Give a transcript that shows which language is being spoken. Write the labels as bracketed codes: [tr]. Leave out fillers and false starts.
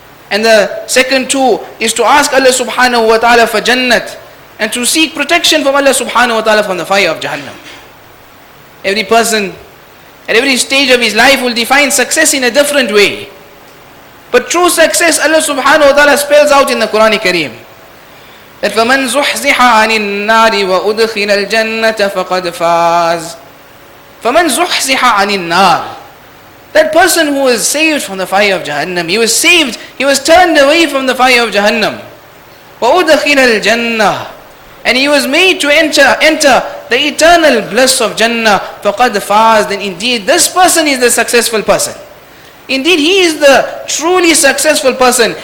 [en] And the second two is to ask Allah subhanahu wa ta'ala for jannat, and to seek protection from Allah subhanahu wa ta'ala from the fire of Jahannam. Every person at every stage of his life will define success in a different way. But true success, Allah subhanahu wa ta'ala spells out in the Quran Kareem. [ar] That فَمَنْ زُحْزِحَ عَنِ النَّارِ وَأُدْخِلَ الْجَنَّةَ فَقَدْ فَاز. فَمَنْ زُحْزِحَ عَنِ النَّارِ. [en] That person who was saved from the fire of Jahannam, he was turned away from the fire of Jahannam. [ar] وَأُدْخِلَ الْجَنَّةَ. [en] And he was made to enter the eternal bliss of Jannah. [ar] فَقَدْ فَاز. [en] Then indeed this person is the successful person. Indeed he is the truly successful person.